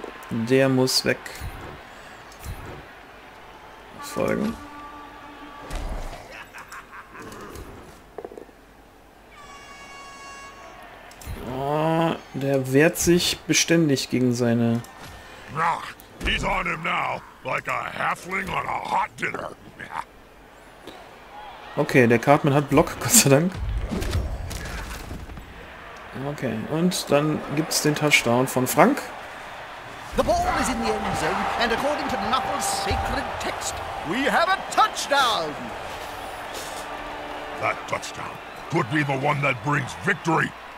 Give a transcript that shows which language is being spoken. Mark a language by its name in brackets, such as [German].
[German] Der muss weg. Folgen. Oh, der wehrt sich beständig gegen seine... [English] He's on him now, like a halfling on a hot dinner. [German] Okay, der Cartman hat Block, Gott sei Dank. Okay, und dann gibt's den Touchdown von Frank. [English] The ball is in the end zone, and according to Knuckles' sacred text, we have a touchdown! That touchdown could be the one that brings victory.